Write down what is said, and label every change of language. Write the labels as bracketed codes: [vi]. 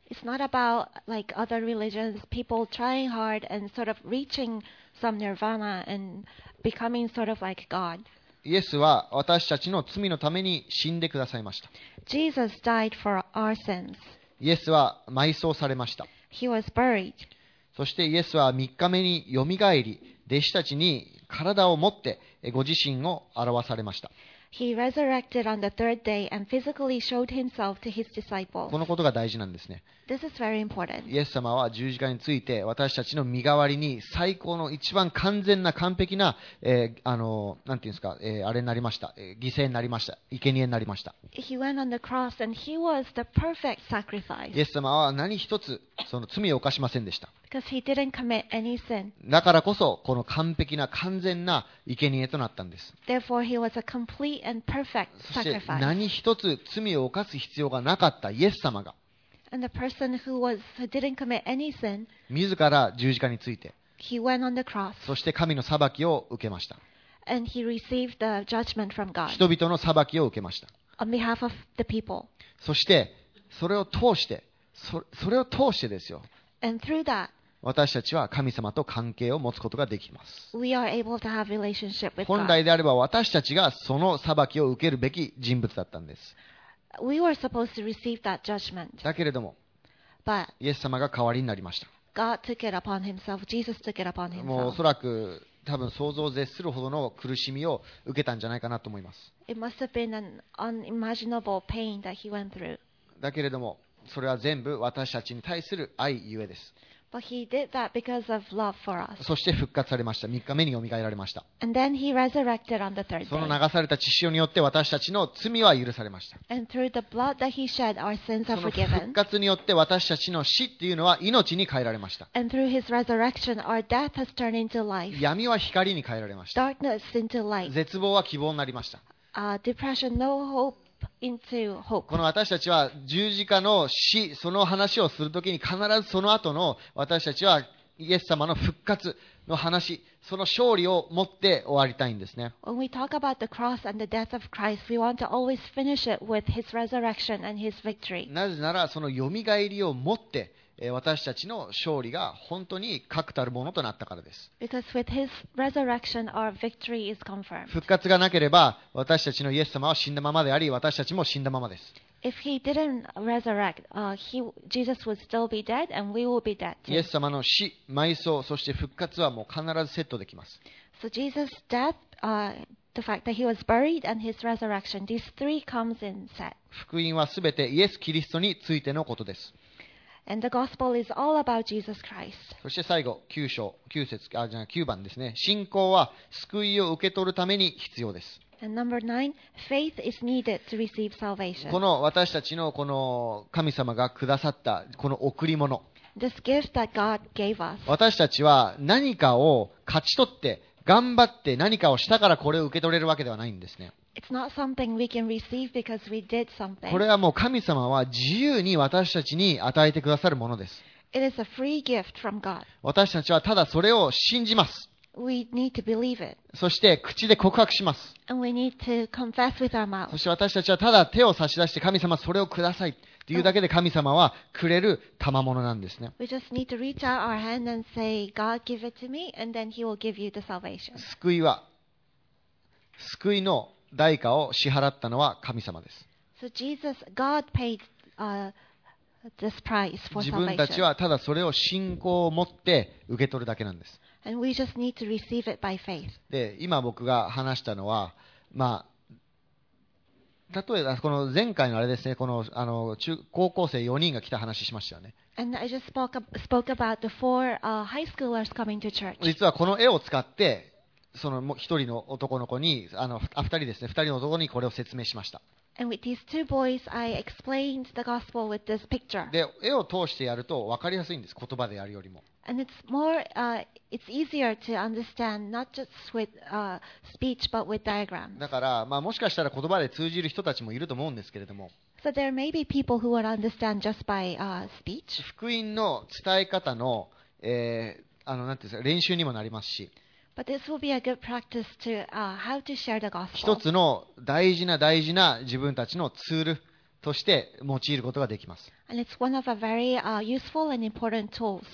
[en] It's not about like other religions, people trying hard and sort of reaching some nirvana and becoming sort of like God. [ja] イエスは私たちの罪のために死んでくださいました。 [en] Jesus died for our sins. [ja] イエスは埋葬されました。 [en] He was buried. [ja] そしてイエスは3日目によみがえり、弟子たちに体を持ってご自身を表されました。 [en] He resurrected on the third day and physically showed himself to his disciples. [ja] このことが大事なんですね。 [en] This is very important. [ja] イエス様は十字架について私たちの身代わりに最高の一番完全な完璧な、なんていうんですか、あれになりました、犠牲になりました、生贄になりました。 [en] He went on the cross and he was the perfect sacrifice. [ja] イエス様は何一つその罪を犯しませんでした。 [en] Because he didn't commit any sin. [ja] だからこそこの完璧な完全な生贄となったんです。 [en] Therefore, he was a complete and perfect sacrifice. [ja] そして何一つ罪を犯す必要がなかったイエス様が。 [en] And the person who didn't commit any sin. [ja] 自ら十字架について。 [en] He went on the cross. [ja] そして神の裁きを受けました。 [en] And he received the judgment from God. [ja] 人々の裁きを受けました。 [en] On behalf of the people. [ja] そしてそれを通して、それを通してですよ。 [en] And through that, [ja] 私たちは神様と関係を持つことができます。 [en] We are able to have relationship with God. [ja] 本来であれば私たちがその裁きを受けるべき人物だったんです。 [en] We were supposed to receive that judgment. [ja] だけれども [en] But, [ja] イエス様が代わりになりました。 [en] God took it upon himself. Jesus took it upon himself. [ja] もうおそらく多分想像を絶するほどの苦しみを受けたんじゃないかなと思います。 [en] It must have been an unimaginable pain that he went through. [ja] だけれどもそれは全部私たちに対する愛ゆえです。 [en] But he did that because of love for us. [ja] そして復活されました。3日目によみがえられました。 [en] And then he resurrected on the third day. [ja] その流された血潮によって私たちの罪は許されました。 [en] And through the blood that he shed, our sins are forgiven. [ja] その復活によって私たちの死というのは命に変えられました。 [en] And through his resurrection, our death has turned into life. [ja] 闇は光に変えられました。 [en] Darkness into light. [ja] 絶望は希望になりました。 [en] Depression, no hopeInto hope. [ja] この私たちは十字架の死その話をするときに必ずその後の私たちはイエス様の復活の話、その勝利を持って終わりたいんですね。 [en] When we talk about the cross and the death of Christ, we want to always finish it with his resurrection and his victory. [ja] なぜならそのよみがえりを持って私たちの勝利が本当に確たるものとなったからです。復活がなければ私たちのイエス様は死んだままであり、私たちも死んだままです。 [en] If he didn't resurrect, Jesus would still be dead and we will be dead too. [ja] イエス様の死、埋葬、そして復活はもう必ずセットできます。 [en] So Jesus' death, the fact that he was buried and his resurrection, these three comes in set. [ja] 福音はすべてイエス・キリストについてのことです。 [en] And the gospel is all about Jesus Christ. [ja] そして最後9章9節あじゃあ9番ですね。信仰は救いを受け取るために必要です。 [en] And number nine, faith is needed to receive salvation. [ja] この私たちのこの神様がくださったこの贈り物。 [en] This gift that God gave us. [ja] 私たちは何かを勝ち取って頑張って何かをしたからこれを受け取れるわけではないんですね。 [en] It's not something we can receive because we did something. [ja] これはもう神様は自由に私たちに与えてくださるものです。 [en] It is a free gift from God. [ja] 私たちはただそれを信じます。 [en] We need to believe it. [ja] そして口で告白します。 [en] And we need to confess with our mouth. [ja] そして私たちはただ手を差し出して神様それをくださいというだけで神様はくれる賜物なんですね。 [en] We just need to reach out our hand and say, God, give it to me, and then He will give you the salvation. [ja] 救いは、救いの代価を支払ったのは神様です。 [en] So Jesus, God paid, this price for [ja] 自分たちはただそれを信仰を持って受け取るだけなんです。 [en] And we just need to receive it by faith. [ja] で、今僕が話したのは、まあ、例えばこの前回のあれですね、この、高校生4人が来た話しましたよね。 [en] And I just spoke about the four, high schoolers coming to church. [ja] 実はこの絵を使って、その一人の男の子に、二人ですね、二人の男にこれを説明しました。 [en] And with these two boys, I explained the gospel with this picture. [ja] で、絵を通してやると分かりやすいんです、言葉でやるよりも。 [en] And it's more, it's easier to understand not just with, speech, but with diagrams. [ja] だから、まあもしかしたら言葉で通じる人たちもいると思うんですけれども。 [en] So there may be people who would understand just by, speech. [ja] 福音の伝え方の、なんていうんですか、練習にもなりますし。 [en] But this will be a good practice to, how to share the gospel. [ja] 一つの大事な大事な自分たちのツールとして用いることができます。 [en] And it's one of a very, useful and important tools.